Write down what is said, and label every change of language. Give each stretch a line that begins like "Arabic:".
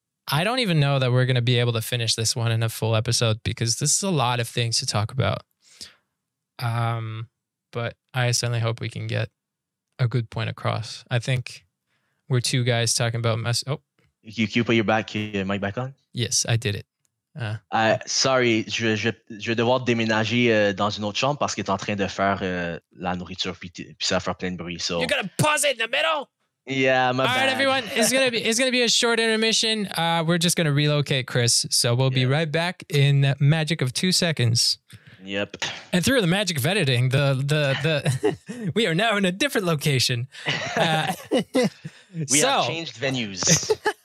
English: I don't even know that we're going to be able to finish this one in a full episode because this is a lot of things to talk about. But I certainly hope we can get a good point across. I think we're two guys talking about mess. Oh. You put your mic back on? Yes, I did it.
French: Sorry, je vais devoir déménager dans une autre chambre parce qu'il est en train de faire la nourriture puis ça va faire plein de bruit. So.
English: You're gonna pause it in the middle? Yeah, my bad. All right, everyone, it's gonna be a short intermission. We're just gonna relocate Chris, so we'll be right back in the magic of 2 seconds. Yep. And through the magic of editing, the we are now in a different location. we have changed venues.